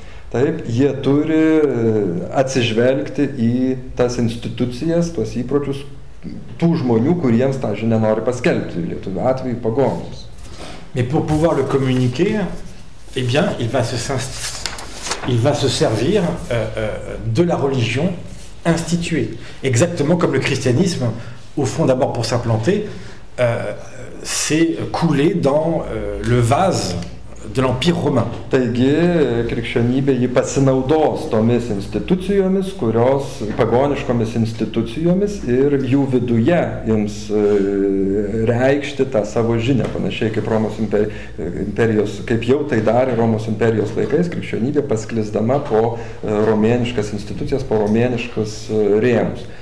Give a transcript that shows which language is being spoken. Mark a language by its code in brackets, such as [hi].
[lt] Taip, jie turi atsižvelgti į tas institucijas, tuos įpročius, tų žmonių, kuriems tą žinią nori paskelbti, lietuvių atveju pagonius. [fr] Mais pour pouvoir le communiquer, eh bien, il va se servir de la religion instituée, exactement comme le christianisme, au fond d'abord pour s'implanter, s'est coulé dans le vase de l'Empire romain. [lt] Taigi, krikščionybė jį pasinaudos tomis institucijomis, kurios pagoniškomis institucijomis ir jų viduje jums reikšti tą savo žinią, panašiai kaip Romos imperijos, kaip jau tai darė Romos imperijos laikais, krikščionybė pasklisdama po romėniškas institucijas, po romėniškus rėmus.